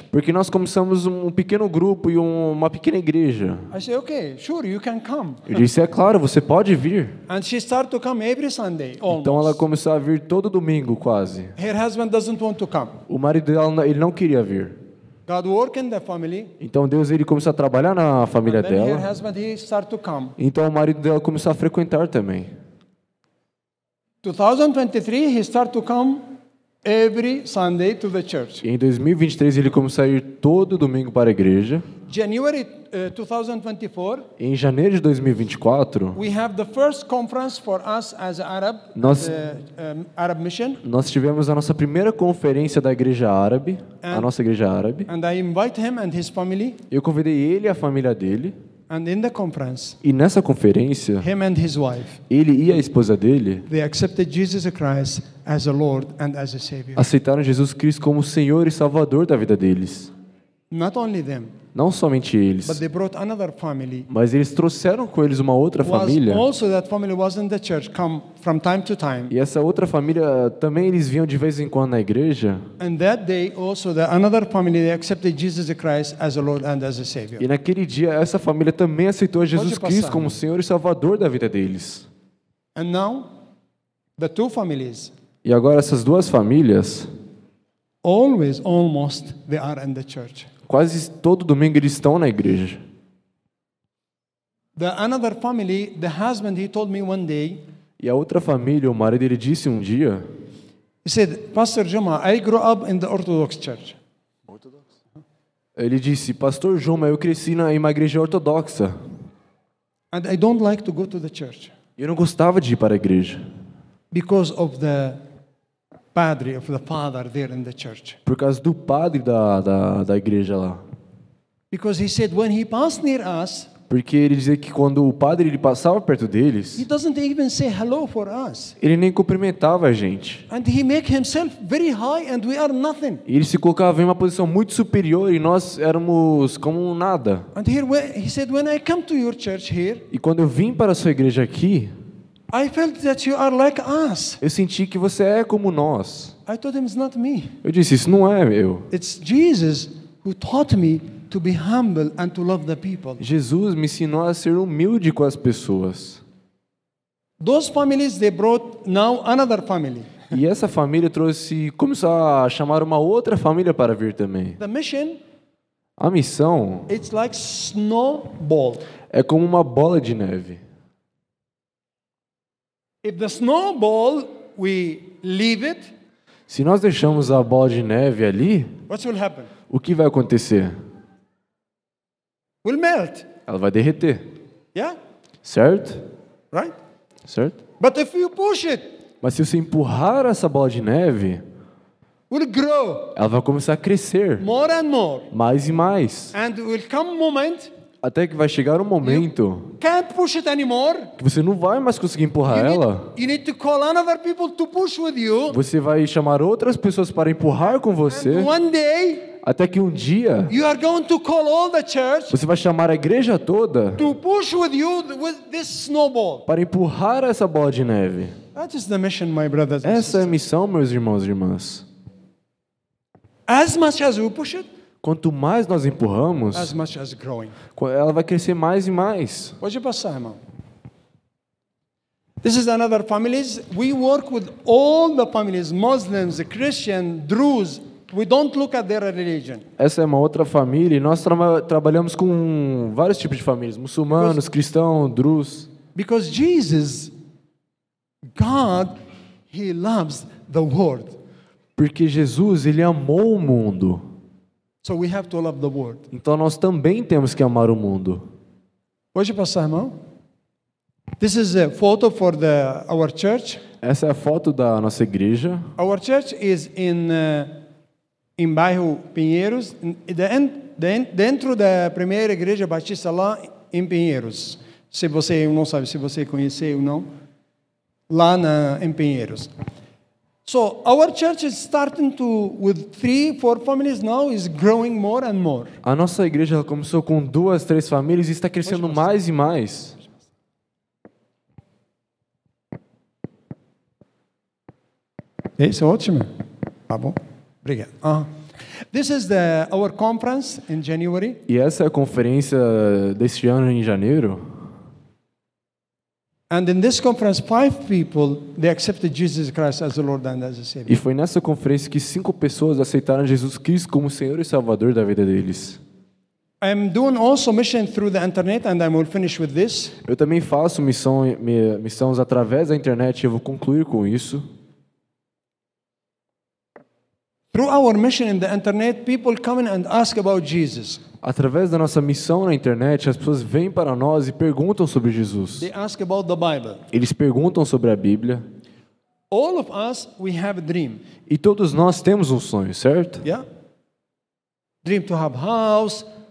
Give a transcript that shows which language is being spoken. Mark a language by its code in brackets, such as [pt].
[pt] Porque nós começamos um pequeno grupo e uma pequena igreja. [en] I said, okay, sure, you can come. [pt] Eu disse, é claro, você pode vir. [en] And she started to come every Sunday, almost. [pt] Então ela começou a vir todo domingo, quase. [en] Her husband doesn't want to come. [pt] O marido dela, ele não queria vir. [en] God work in the family. [pt] Então Deus, ele começou a trabalhar na família [en] and then [pt] dela. [en] Her husband, he started to come. [pt] Então o marido dela começou a frequentar também. [en] 2023, he started to come every Sunday to the church. [pt] Em 2023 ele começou a ir todo domingo para a igreja. [en] January 2024. [pt] Em janeiro de 2024. [en] We have the first conference for us as Arab. Arab mission. [pt] Nós tivemos a nossa primeira conferência da igreja árabe, a nossa igreja árabe. [en] And I invite him and his family. [pt] Eu convidei ele e a família dele. [en] And in the conference. [pt] E nessa conferência. [en] Him and his wife. [pt] Ele e a esposa dele. [en] They accepted Jesus Christ as a Lord and as a Savior. [pt] Aceitaram Jesus Cristo como Senhor e Salvador da vida deles. [en] Not only them. [pt] Não somente eles. [en] But they brought another family. [pt] Mas eles trouxeram com eles uma outra família. [en] Also that family was in the church, come from time to time. [pt] E essa outra família também eles vinham de vez em quando na igreja. [en] And that day also that another family they accepted Jesus Christ as a Lord and as a Savior. [pt] E naquele dia essa família também aceitou Jesus Cristo como Senhor e Salvador da vida deles. [en] And now the two families. [pt] E agora essas duas famílias. [en] Always, almost, they are in the church. [pt] Quase todo domingo eles estão na igreja. [en] The another family, the husband, he told me one day. [pt] E a outra família, o marido, ele disse um dia. [en] He said, "Pastor Juma, I grew up in the Orthodox church." Orthodox. [pt] Ele disse, "Pastor Juma, eu cresci em uma igreja ortodoxa." [en] And I don't like to go to the church. [pt] Eu não gostava de ir para a igreja. [en] Because of the padre of the father there in the church. [pt] Por causa do padre da igreja lá. [en] Because he said when he passed near us. [pt] Porque ele dizia que quando o padre ele passava perto deles. [en] He doesn't even say hello for us. [pt] Ele nem cumprimentava a gente. [en] And he make himself very high and we are nothing. [pt] E ele se colocava em uma posição muito superior e nós éramos como nada. [en] And here he said when I come to your church here. [pt] E quando eu vim para a sua igreja aqui. [en] I felt that you are like us. [pt] Eu senti que você é como nós. [en] I told him it's not me. [pt] Eu disse isso não é eu. [en] It's Jesus who taught me to be humble and to love the people. [pt] Jesus me ensinou a ser humilde com as pessoas. [en] Those families they brought now another family. [pt] E essa família trouxe começou a chamar uma outra família para vir também. [en] The mission. [pt] A missão. [en] It's like snowball. [pt] É como uma bola de neve. [en] If the snowball we leave it, [pt] se nós deixamos a bola de neve ali, [en] what will happen? [pt] O que vai acontecer? [en] Will melt. [pt] Ela vai derreter. [en] Yeah? [pt] Certo? [en] Right? [pt] Certo? [en] But if you push it, [pt] mas se você empurrar essa bola de neve, [en] will grow. [pt] Ela vai começar a crescer. [en] More and more. [pt] Mais e mais. [en] And will come moment. [pt] Até que vai chegar um momento [en] can't push it anymore. [pt] Que você não vai mais conseguir empurrar ela. [en] You need to call another people to push with you. [pt] Você vai chamar outras pessoas para empurrar com você. [en] And one day, [pt] Até que um dia [en] you are going to call all the church, [pt] você vai chamar a igreja toda [en] to push with you with this snowball. [pt] Para empurrar essa bola de neve. [en] That is the mission, my brothers. [pt] Essa é a missão, meus irmãos e irmãs. [en] As much as we push it, [pt] quanto mais nós empurramos, [en] as much as growing. [pt] Ela vai crescer mais e mais. Pode passar, irmão. [en] This is another families. We work with all the families, Muslims, Christians, Druze. We don't look at their religion. [pt] Essa é uma outra família. Nós trabalhamos com vários tipos de famílias, muçulmanos, [en] because, [pt] cristãos, Druze. [en] Because Jesus, God, he loves the world. [pt] Porque Jesus, ele amou o mundo. [en] So we have to love the world. [pt] Então nós também temos que amar o mundo. Pode passar, irmão? [en] This is a photo for the our church. [pt] Essa é a foto da nossa igreja. [en] Our church is in in [pt] bairro Pinheiros, dentro da primeira igreja batista lá em Pinheiros. Se você não sabe, se você conhece ou não, lá na em Pinheiros. [en] So our church is starting to with 3-4 families now is growing more and more. [pt] A nossa igreja começou com 2-3 famílias e está crescendo mais e mais. Isso é ótimo. Tá bom. Obrigado. [en] Uh-huh. This is the our conference in January. [pt] E essa é a conferência deste ano em janeiro. [en] And in this conference, 5 people they accepted Jesus Christ as the Lord and as the Savior. [pt] E foi nessa conferência que 5 pessoas aceitaram Jesus Cristo como Senhor e Salvador da vida deles. [en] I'm doing also mission through the internet and I will finish with this. [pt] Eu também faço missões através da internet e eu vou concluir com isso. [en] Through our mission in the internet, people come in and ask about Jesus. [pt] Através da nossa missão na internet, as pessoas vêm para nós e perguntam sobre Jesus. [en] They ask about the Bible. [pt] Eles perguntam sobre a Bíblia. [en] All of us, we have a dream. [pt] E todos nós temos um sonho, certo? [en] Yeah. Dream to have house.